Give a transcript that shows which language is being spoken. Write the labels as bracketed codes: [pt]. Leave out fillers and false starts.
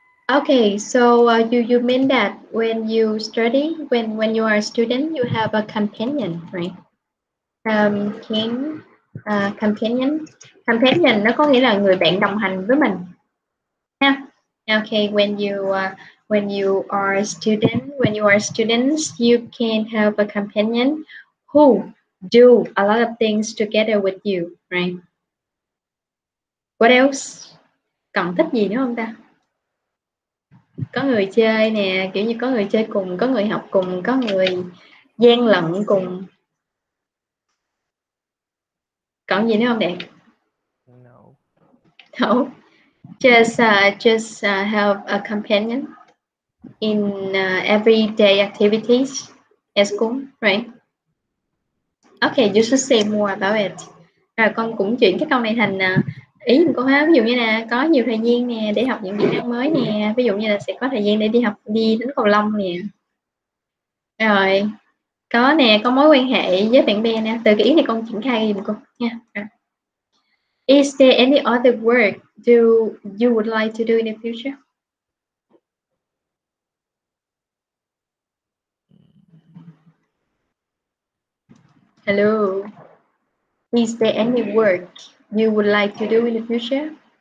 [en] Okay, so you mean that when you study, when you are a student, you have a companion, right? [vi] Companion nó có nghĩa là người bạn đồng hành với mình ha. [en] Okay, when you are a student, when you are students, you can have a companion who do a lot of things together with you, right? What else? [vi] Còn thích gì nữa không ta? Có người chơi nè, kiểu như có người chơi cùng, có người học cùng, có người gian lận cùng. Còn gì nữa không đẹp? [en] No. No. Just have a companion in everyday activities at school, right? Okay, you should say more about it. [vi] Rồi con cũng chuyển cái câu này thành ý của con ha. Ví dụ như là có nhiều thời gian nè để học những kỹ năng mới nè. Ví dụ như là sẽ có thời gian để đi học, đi đánh cầu lông nè. Rồi có nè, có mối quan hệ với bạn bè nè. Từ cái ý này con triển khai giùm con nha. [en] Is there any other work do you would like to do in the future? Hello. Is there any work you would like to do in the future?